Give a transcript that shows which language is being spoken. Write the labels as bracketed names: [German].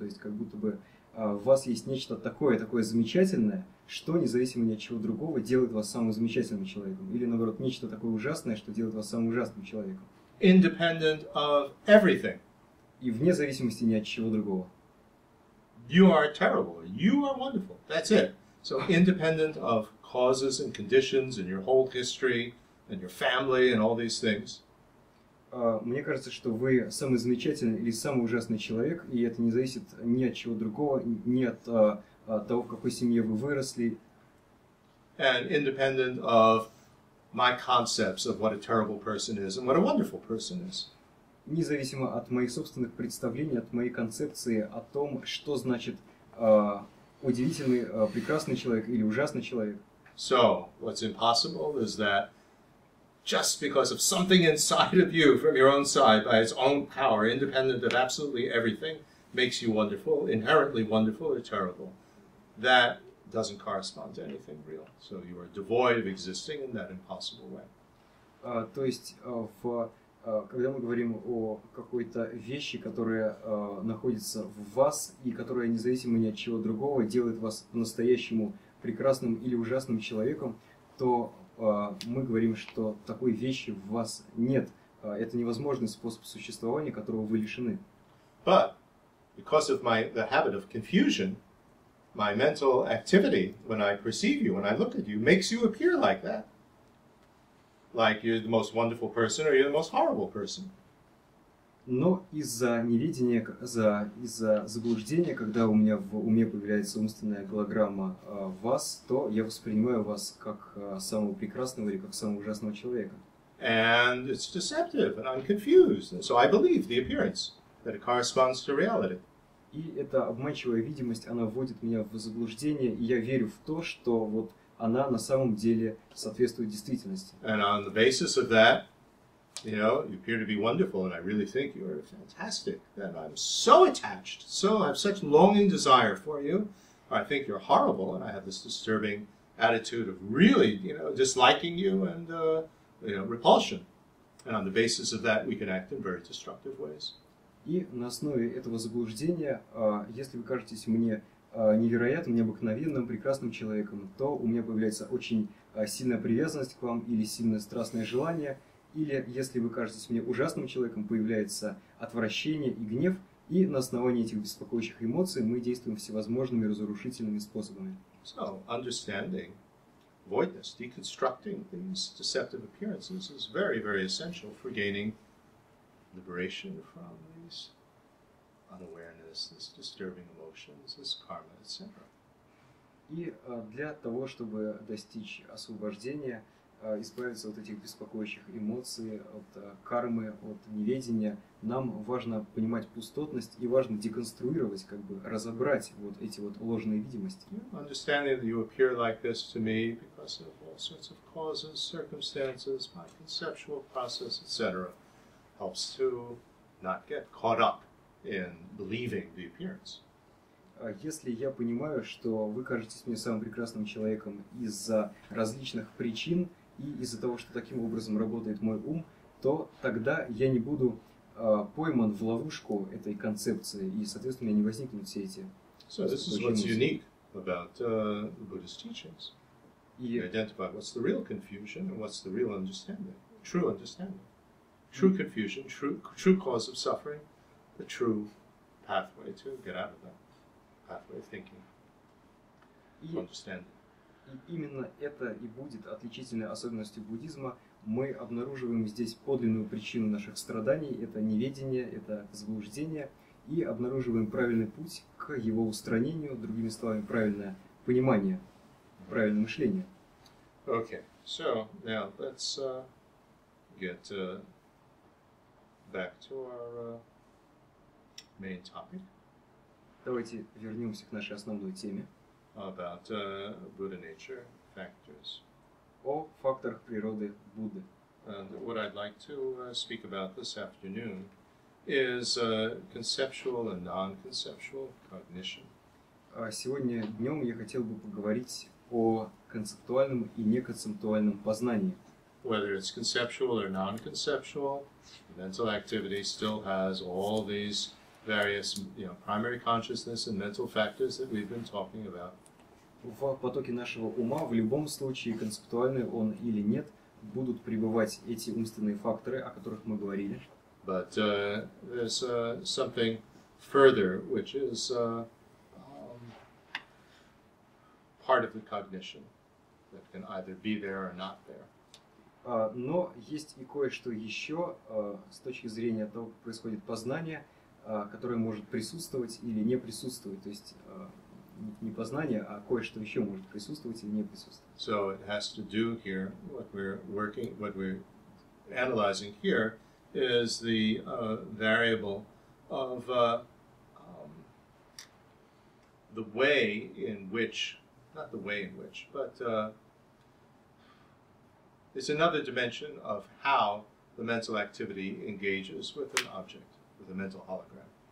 [Russian] То есть как будто бы в вас есть нечто такое, такое замечательное, что независимо ни от чего другого делает вас самым замечательным человеком, или наоборот нечто такое ужасное, что делает вас самым ужасным человеком. [English] Independent of everything. [Russian] И вне зависимости ни от чего другого. [English] You are terrible. You are wonderful. That's it. So independent of causes and conditions and your whole history and your family and all these things. [Russian] Мне кажется, что вы самый замечательный или самый ужасный человек, и это не зависит ни от чего другого, ни от того, в какой семье вы выросли. [English] And independent of my concepts of what a terrible person is and what a wonderful person is. [Russian] независимо от моих собственных представлений, от моей концепции о том, что значит удивительный, прекрасный человек или ужасный человек. [English] So, what's impossible is that just because of something inside of you, from your own side, by its own power, independent of absolutely everything, makes you wonderful, inherently wonderful or terrible, that doesn't correspond to anything real. So you are devoid of existing in that impossible way. [Russian] То есть, когда мы говорим о какой-то вещи, которая находится в вас, и которая независимо ни от чего другого делает вас по-настоящему прекрасным или ужасным человеком, то мы говорим, что такой вещи в вас нет. Это невозможный способ существования, которого вы лишены. [English] But because of the habit of confusion, my mental activity, when I perceive you, when I look at you, makes you appear like that. Like you're the most wonderful person or you're the most horrible person. [Russian] Но из-за неведения, из-за заблуждения, когда у меня в уме появляется умственная голограмма вас, то я воспринимаю вас как самого прекрасного или как самого ужасного человека. [English] And it's deceptive, and I'm confused. And so I believe the appearance, that it corresponds to reality. [Russian] И эта обманчивая видимость, она вводит меня в заблуждение, и я верю в то, что вот она на самом деле соответствует действительности. [English] And on the basis of that, you know, you appear to be wonderful, and I really think you are fantastic, that I'm so attached, so I have such longing desire for you, or I think you're horrible, and I have this disturbing attitude of really, you know, disliking you and, you know, repulsion. And on the basis of that, we can act in very destructive ways. [Russian] И на основе этого заблуждения, если вы кажетесь мне невероятным, необыкновенным, прекрасным человеком, то у меня появляется очень сильная привязанность к вам или сильное страстное желание. Или если вы кажетесь мне ужасным человеком, появляется отвращение и гнев. И на основании этих беспокоящих эмоций мы действуем всевозможными разрушительными способами. [English] So, understanding voidness, deconstructing these deceptive appearances is very, very essential for gaining liberation from these unawareness, this disturbing emotions, this karma, etc. [Russian] И для того, чтобы достичь освобождения, избавиться от этих беспокоящих эмоций, от кармы, от неведения, нам важно понимать пустотность и важно деконструировать, как бы разобрать вот эти вот ложные видимости. [English] Understanding that you appear like this to me because of all sorts of causes, circumstances, my conceptual process, etc. helps to not get caught up in believing the appearance. [Russian] Если я понимаю, что вы кажетесь мне самым прекрасным человеком из-за различных причин и из-за того, что таким образом работает мой ум, то тогда я не буду пойман в ловушку этой концепции, и, соответственно, не возникнут все эти... [English] So this is what's unique about the Buddhist teachings. You identify what's the real confusion and what's the real understanding, true understanding. True confusion, true cause of suffering, the true pathway to get out of that pathway of thinking, understanding. [Russian] И именно это и будет отличительной особенностью буддизма. Мы обнаруживаем здесь подлинную причину наших страданий. Это неведение, это заблуждение. И обнаруживаем правильный путь к его устранению. Другими словами, правильное понимание, правильное мышление. [English] Okay, so now let's get back to our main topic. [Russian] Давайте вернемся к нашей основной теме. [English] About Buddha nature factors. [Russian] О факторах природы Будды. [English] And what I'd like to speak about this afternoon is conceptual and non-conceptual cognition. [Russian] Сегодня днем я хотел бы поговорить о концептуальном и неконцептуальном познании. [English] Whether it's conceptual or non-conceptual, mental activity still has all these various, you know, primary consciousness and mental factors that we've been talking about. [Russian] В потоке нашего ума, в любом случае, концептуальный он или нет, будут пребывать эти умственные факторы, о которых мы говорили. [English] But there's something further, which is part of the cognition, that can either be there or not there. [Russian] Но есть и кое-что еще, с точки зрения того, как происходит познание, которое может присутствовать или не присутствовать, то есть... не познание, а кое-что еще может присутствовать или не присутствовать. [English] So it has to do here, what we're working, what we're analyzing here, is the variable of the way in which, not the way in which, but it's another dimension of how the mental activity engages with an object, with a mental hologram.